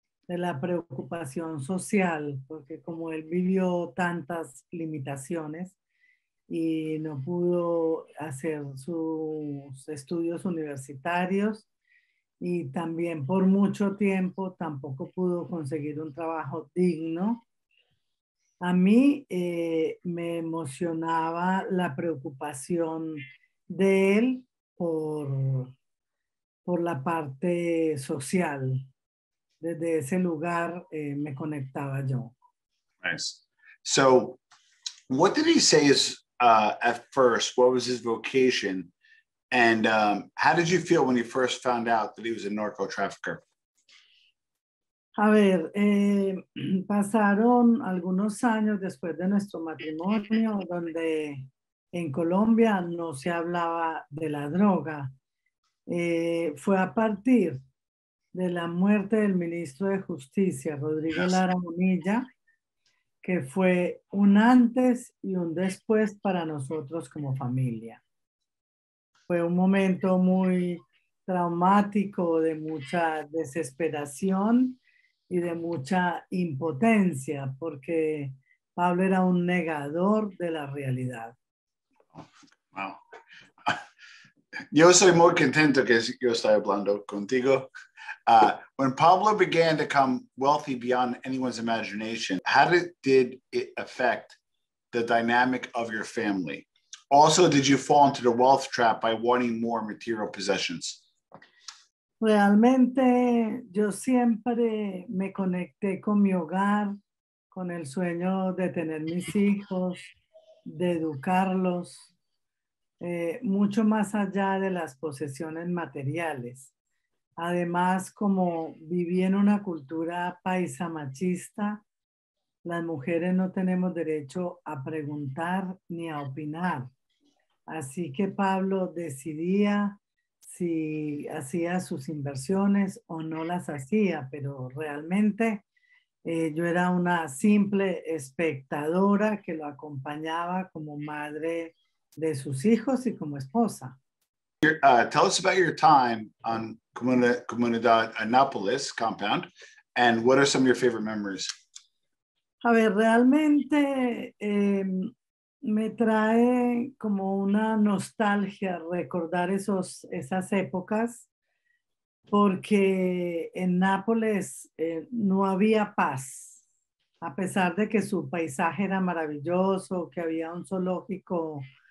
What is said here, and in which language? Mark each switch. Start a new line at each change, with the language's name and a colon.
Spanish: de la preocupación social, porque como él vivió tantas limitaciones y no pudo hacer sus estudios universitarios y también por mucho tiempo tampoco pudo conseguir un trabajo digno, a mí me emocionaba la preocupación de él por la parte social. Desde ese lugar me conectaba yo.
English: Nice. So, what did he say at first? What was his vocation? And how did you feel when you first found out that he was a narco trafficker?
Spanish: A ver, pasaron algunos años después de nuestro matrimonio donde en Colombia no se hablaba de la droga. Fue a partir de la muerte del ministro de Justicia, Rodrigo Lara Bonilla, que fue un antes y un después para nosotros como familia. Fue un momento muy traumático, de mucha desesperación y de mucha impotencia, porque Pablo era un negador de la realidad.
English: Wow.
Spanish: Yo soy muy contento que yo estoy hablando contigo.
English: When Pablo began to come wealthy beyond anyone's imagination, how did it affect the dynamic of your family? Also, did you fall into the wealth trap by wanting more material possessions?
Spanish: Realmente, yo siempre me conecté con mi hogar, con el sueño de tener mis hijos, de educarlos, mucho más allá de las posesiones materiales. Además, como viví en una cultura paisa machista, las mujeres no tenemos derecho a preguntar ni a opinar. Así que Pablo decidía si hacía sus inversiones o no las hacía, pero realmente yo era una simple espectadora que lo acompañaba como madre de sus hijos y como esposa.
English: Tell us about your time on Comunidad Anápolis compound, and what are some of your favorite memories?
Spanish: A ver, realmente me trae como una nostalgia recordar esas épocas, porque en Nápoles no había paz, a pesar de que su paisaje era maravilloso, que había un zoológico